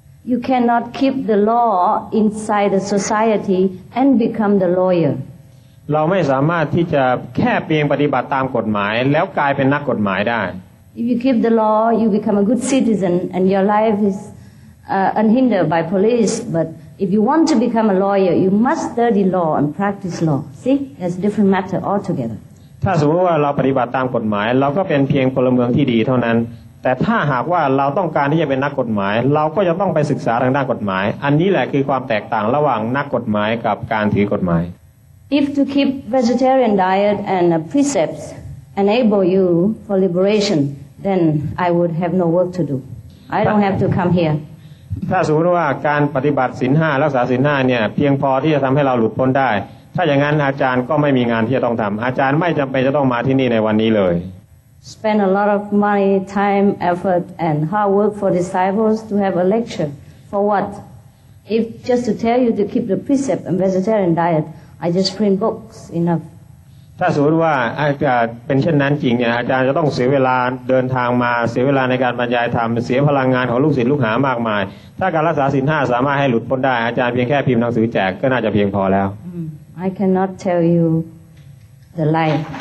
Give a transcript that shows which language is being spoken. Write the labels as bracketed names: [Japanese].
[English] You cannot keep the law inside the society and become the lawyer. [Thai] เราไม่สามารถที่จะแค่เพียงปฏิบัติตามกฎหมายแล้วกลายเป็นนักกฎหมายได้ [English] If you keep the law, you become a good citizen and your life is unhindered by police. But if you want to become a lawyer, you must study law and practice law. See, that's a different matter altogether. [Thai] ถ้าสมมติว่าเราปฏิบัติตามกฎหมายเราก็เป็นเพียงพลเมืองที่ดีเท่านั้นแต่ถ้าหากว่าเราต้องการที่จะเป็นนักกฎหมายเราก็จะต้องไปศึกษาทางด้านกฎหมายอันนี้แหละคือความแตกต่างระหว่างนักกฎหมายกับการถือกฎหมาย [English] If to keep vegetarian diet and precepts enable you for liberation then I would have no work to do I don't have to come here [Thai] ถ้าสมมติว่าการปฏิบัติศีล5รักษาศีล5เนี่ยเพียงพอที่จะทำให้เราหลุดพ้นได้ถ้าอย่างนั้นอาจารย์ก็ไม่มีงานที่จะต้องทำอาจารย์ไม่จำเป็นจะต้องมาที่นี่ในวันนี้เลย [English] spend a lot of money time effort and hard work for disciples to have a lecture for what if just to tell you to keep the precept and vegetarian diet I just print books enough [Thai] ถ้าสมมติว่าอาจารย์เป็นเช่นนั้นจริงเนี่ยอาจารย์จะต้องเสียเวลาเดินทางมาเสียเวลาในการบรรยายธรรมเสียพลังงานของลูกศิษย์ลูกหามากมายถ้าการรักษาศีล5สามารถให้หลุดพ้นได้อาจารย์เพียงแค่พิมพ์หนังสือแจกก็น่าจะเพียงพอแล้ว [English] I cannot tell you the lie